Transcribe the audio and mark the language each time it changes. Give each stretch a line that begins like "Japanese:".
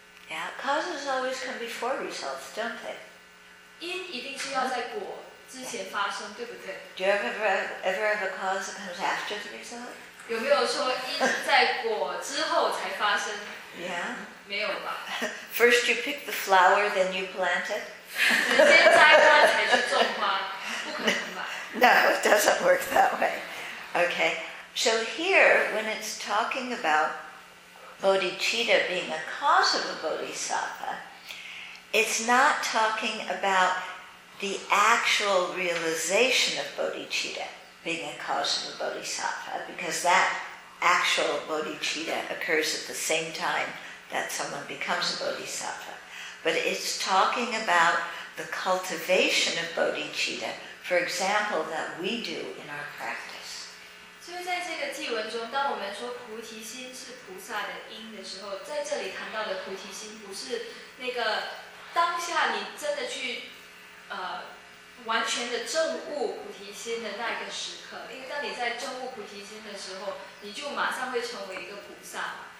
English: Yeah, causes always come before results, don't they?
Chinese: 因一定是要在果之前发生，对不对？
English: Do you ever have a cause that comes after the result?
Chinese: 有没有说因在果之后才发生？
English: Yeah.
Chinese: 没有吧。
English: First you pick the flower, then you plant it.
Chinese: 直接摘花才去种花，不可能吧？
English: No, it doesn't work that way. Okay, so here when it's talking about bodhicitta being a cause of a bodhisattva, it's not talking about the actual realization of bodhicitta being a cause of a bodhisattva, because that actual bodhicitta occurs at the same time that someone becomes a bodhisattva. But it's talking about the cultivation of bodhicitta, for example, that we do in our practice.
Chinese: 所以在这个偈文中，当我们说菩提心是菩萨的因的时候，在这里谈到的菩提心，不是那个当下你真的去完全的证悟菩提心的那个时刻。因为当你在证悟菩提心的时候，你就马上会成为一个菩萨。